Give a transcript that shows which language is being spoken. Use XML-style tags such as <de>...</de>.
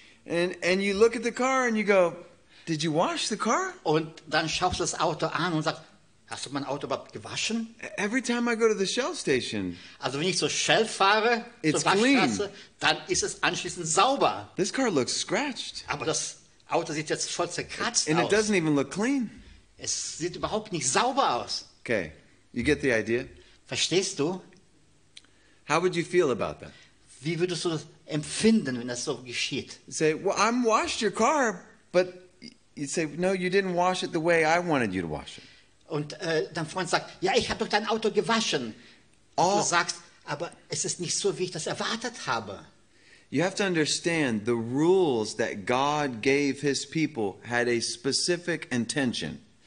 <en>And you look at the car and you go, did you wash the car?</en> <de>Und dann schaust du das Auto an und sagst, hast du mein Auto überhaupt gewaschen?</de> <en>Every time I go to the Shell station.</en> <de>Also wenn ich zur Shell fahre, it's zur Waschstraße, clean. Dann ist es anschließend sauber.</de> <en>This car looks scratched.</en> <de>Aber das Auto sieht jetzt voll zerkratzt aus.</de> <en>And it doesn't even look clean.</en> <de>Es sieht überhaupt nicht sauber aus.</de> <en>Okay, you get the idea?</en> <de>Verstehst du?</de> <en>How would you feel about that?</en> <de>Wie würdest du das empfinden, wenn das so geschieht?</de> <en>Say, well, I'm washed your car, but you say, no, you didn't wash it the way I wanted you to wash it.</en> <de>Und dein Freund sagt, ja, ich habe doch dein Auto gewaschen. Du sagst, aber es ist nicht so, wie ich das erwartet habe.</de> <en>You have to understand, the rules that God gave his people had a specific intention.</en>